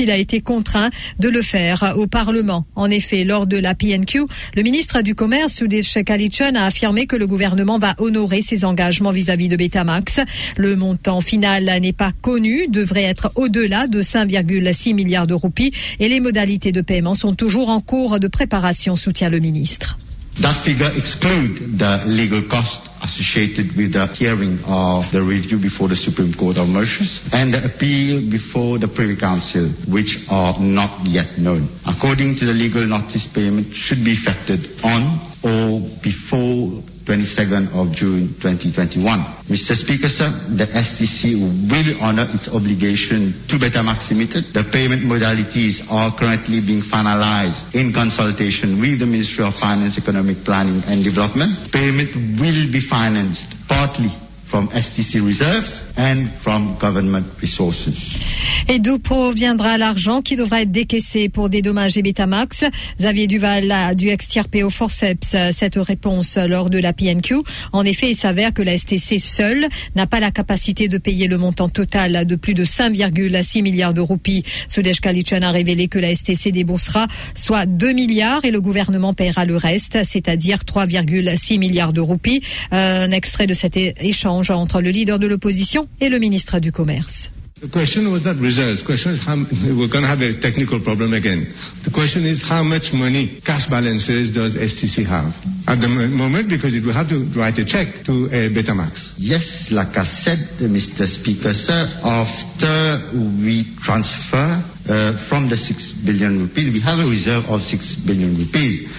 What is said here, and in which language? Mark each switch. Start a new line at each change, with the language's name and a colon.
French: Il a été contraint de le faire au Parlement. En effet, lors de la PNQ, le ministre du Commerce, Sudesh Kalichun, a affirmé que le gouvernement va honorer ses engagements vis-à-vis de Betamax. Le montant final n'est pas connu, devrait être au-delà de 5,6 milliards de roupies. Et les modalités de paiement sont toujours en cours de préparation, soutient le ministre.
English: That figure excludes the legal cost associated with the hearing of the review before the Supreme Court of Mauritius and the appeal before the Privy Council, which are not yet known. According to the legal notice, payment should be effected on or before 22nd of June 2021. Mr. Speaker, sir, the STC will honor its obligation to Betamax Limited. The payment modalities are currently being finalized in consultation with the Ministry of Finance, Economic Planning and Development. Payment will be financed partly from STC reserves and from government resources.
French: Et d'où proviendra l'argent qui devrait être décaissé pour dédommager Betamax? Xavier Duval a dû extirper au forceps cette réponse lors de la PNQ. En effet, il s'avère que la STC seule n'a pas la capacité de payer le montant total de plus de 5,6 milliards de roupies. Sudesh Kalichun a révélé que la STC déboursera soit 2 milliards et le gouvernement paiera le reste, c'est-à-dire 3,6 milliards de roupies. Un extrait de cet échange entre le leader de l'opposition et le ministre du Commerce.
English: The question was not reserves. The question is we're going to have a technical problem again. The question is how much money, cash balances, does STC have at the moment, because it will have to write a check to Betamax. Yes, like I said, Mr. Speaker, sir, after we transfer from the 6 billion rupees, we have a reserve of 6 billion rupees.